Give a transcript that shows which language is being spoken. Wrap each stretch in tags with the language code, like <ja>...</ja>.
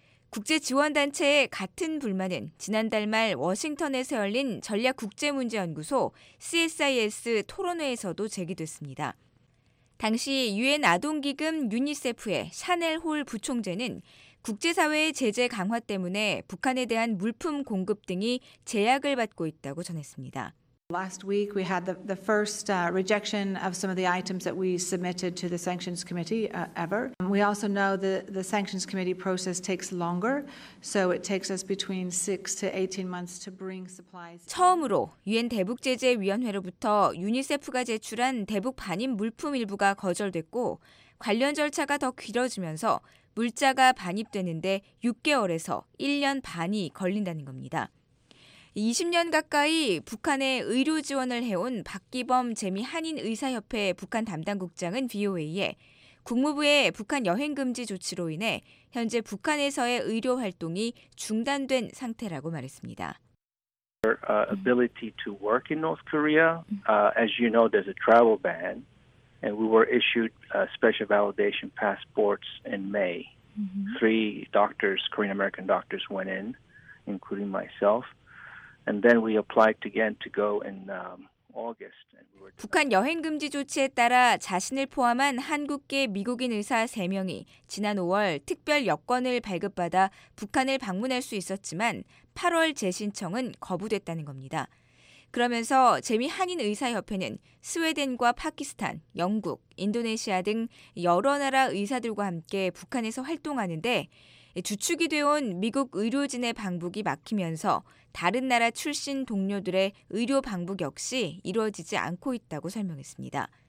<ko>국제지원단체의 같은 불만은 지난달 말 워싱턴에서 열린 전략국제문제연구소 CSIS 토론회에서도 제기됐습니다. 당시 유엔 아동기금 유니세프의 샤넬 홀 부총재는 국제사회의 제재 강화 때문에 북한에 대한 물품 공급 등이 제약을 받고 있다고 전했습니다.</ko> <en>Last week we had the first rejection of some of the items that we submitted to the sanctions committee ever. We also know the sanctions committee process takes longer, so it takes us between 6 to 18 months to bring supplies.</en> <ko>처음으로 유엔 대북 제재 위원회로부터 유니세프가 제출한 대북 반입 물품 일부가 거절됐고 관련 절차가 더 길어지면서 물자가 반입되는데 6개월에서 1년 반이 걸린다는 겁니다. 20년 가까이 북한에 의료 지원을 해온 박기범 재미 한인의사협회 북한 담당국장은 VOA에 국무부의 북한 여행 금지 조치로 인해 현재 북한에서의 의료 활동이 중단된 상태라고 말했습니다.</ko> <en>Our ability to work in North Korea, as you know, there's a travel ban. And we were issued special validation passports in May. Three doctors, Korean American doctors, went in, including myself. And then we applied again to go in August.</en> <ko>북한 여행 금지 조치에 따라 자신을 포함한 한국계 미국인 의사 3명이 지난 5월 특별 여권을 발급받아 북한을 방문할 수 있었지만 8월 재신청은 거부됐다는 겁니다. 그러면서 재미 한인의사협회는 스웨덴과 파키스탄, 영국, 인도네시아 등 여러 나라 의사들과 함께 북한에서 활동하는데 주축이 되어온 미국 의료진의 방북이 막히면서 다른 나라 출신 동료들의 의료 방북 역시 이루어지지 않고 있다고 설명했습니다.</ko>